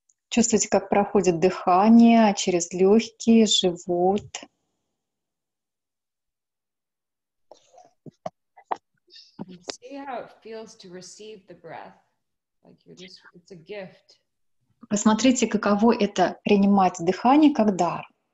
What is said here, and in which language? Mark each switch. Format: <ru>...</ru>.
<ru>Чувствуйте, как проходит дыхание через легкие, живот.</ru> <en>And see how it feels to receive the breath. Like you're just, it's a gift.</en> <ru>Посмотрите, каково это принимать дыхание как дар.</ru>